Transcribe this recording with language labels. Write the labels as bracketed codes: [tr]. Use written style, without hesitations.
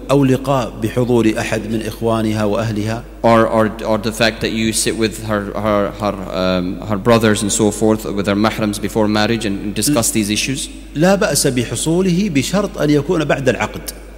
[ar] أو لقاء بحضور أحد من إخوانها وأهلها. [en] Or the fact that you sit with her brothers and so forth with her mahrams before marriage and discuss these issues. [ar] لا بأس بحصوله بشرط أن يكون بعد العقد.